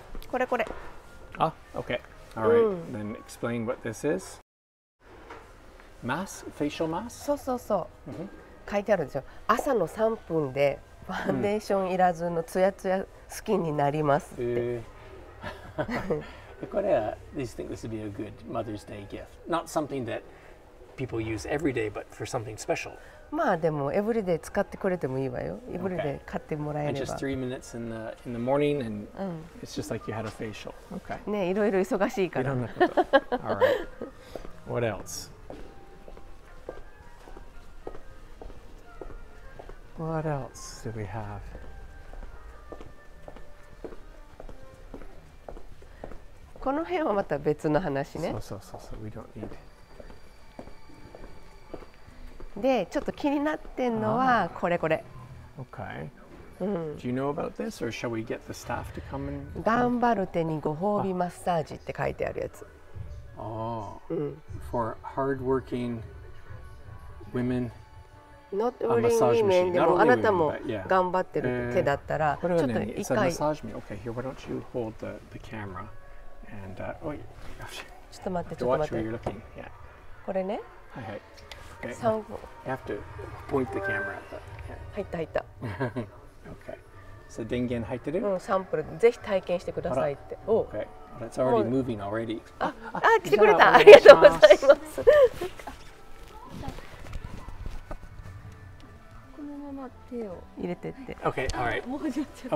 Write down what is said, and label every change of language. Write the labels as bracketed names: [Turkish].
[Japanese] これこれ。 [English] あ、OK。All right,、うん、then explain what this is. Mask? Facial mask? [Japanese] そうそうそう、mm-hmm. 書いてあるんですよ。朝の3分でファンデーションいらずのツヤツヤスキンになりますって。これは、 [English] do you think this would be a good Mother's Day gift? Not something that people use every day, but for something special. [Japanese] まあでも、エブリデイ使ってくれてもいいわよ。エブリデイ買ってもらえれば。 [English] And just 3 minutes in the morning, and、うん、it's just like you had a facial. Okay. [Japanese] ね、いろいろ忙しいから。いろんなこと。 [English] All right. What else? What else do we have? [Japanese] この辺はまた別の話ね。そうそうそうそう。 [English] We don't need it. [Japanese] で、ちょっと気になってんのはこれこれ。 [English] Okay. うん。 Do you know about this or shall we get the staff to come and... [Japanese] 頑張る手にご褒美マッサージって書いてあるやつ。 [English] Oh. うん。 For hardworking women... Not only women, [Japanese] でもあなたも頑張ってる手だったら、ちょっと一回。 [English] It's a massage me. Okay, here, why don't you hold the camera? And, [Japanese] ちょっと待って、ちょっと待って。 [English] You're looking. Yeah. [Japanese] これね。はいはい。Okay. [English] You have to point the camera at that. [Japanese] Yeah. 入った入った。 [English] Okay. So, [Japanese] 電源入ってる？うん、サンプル。ぜひ体験してくださいって。 [English] お、okay. That's already moving already. [Japanese] あ、来てくれた。ありがとうございます。このまま手を入れてって。 [English] OK, all right. [Japanese] もう始まっちゃった。